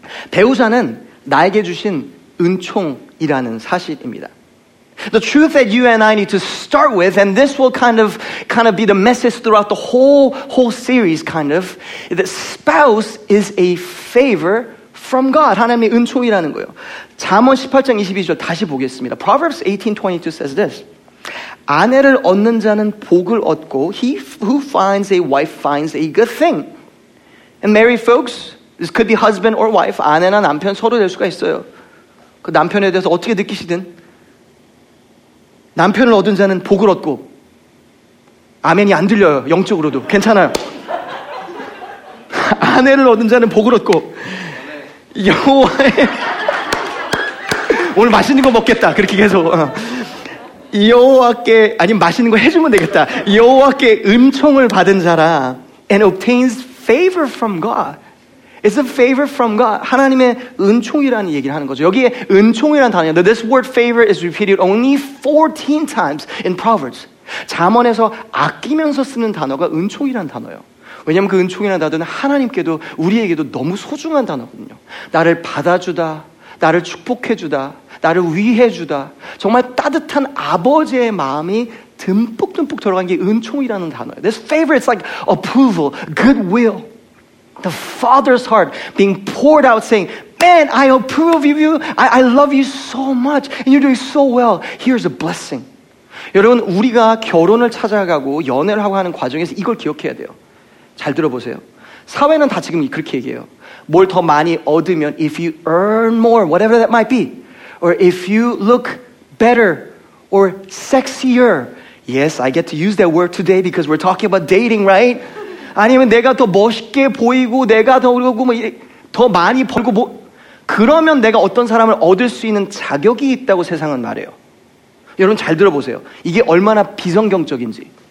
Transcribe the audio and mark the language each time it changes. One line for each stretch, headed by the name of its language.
Korean: 배우자는 나에게 주신 은총이라는 사실입니다.
English: The truth that you and I need to start with, and this will kind of be the message throughout the whole series, kind of, that spouse is a favor from God.
Korean: 하나님의 은총이라는 거예요. 잠언 18장 22절 다시 보겠습니다.
English: Proverbs 18:22 says this.
Korean: 아내를 얻는 자는 복을 얻고,
English: he who finds a wife finds a good thing. And married folks, this could be husband or wife,
Korean: 아내나 남편 서로 될 수가 있어요. 그 남편에 대해서 어떻게 느끼시든 남편을 얻은 자는 복을 얻고 아멘이 안 들려요. 영적으로도 괜찮아요. 아내를 얻은 자는 복을 얻고 여호와의 오늘 맛있는 거 먹겠다 그렇게 계속 여호와께 아니면 맛있는 거 해주면 되겠다 여호와께 은총을 받은 자라
English: and obtains favor from God. It's a favor from God.
Korean: 하나님의 은총이라는 얘기를 하는 거죠. 여기에 은총이라는 단어입니다.
English: This word favor is repeated only 14 times in Proverbs.
Korean: 잠언에서 아끼면서 쓰는 단어가 은총이라는 단어예요. 왜냐하면 그 은총이라는 단어는 하나님께도 우리에게도 너무 소중한 단어거든요. 나를 받아주다, 나를 축복해주다, 나를 위해주다. 정말 따뜻한 아버지의 마음이 듬뿍듬뿍 들어간 게 은총이라는 단어예요.
English: This favor is like approval, goodwill. The father's heart being poured out saying, man, I approve of you. I love you so much. And you're doing so well. Here's a blessing.
Korean: 여러분, 우리가 결혼을 찾아가고 연애를 하고 하는 과정에서 이걸 기억해야 돼요. 잘 들어보세요. 사회는 다 지금 그렇게 얘기해요. 뭘 더 많이 얻으면,
English: if you earn more, whatever that might be, or if you look better or sexier. Yes, I get to use that word today because we're talking about dating, right?
Korean: 아니면 내가 더 멋있게 보이고 내가 더 그리고 뭐 더 많이 벌고 뭐 그러면 내가 어떤 사람을 얻을 수 있는 자격이 있다고 세상은 말해요. 여러분 잘 들어보세요. 이게 얼마나 비성경적인지.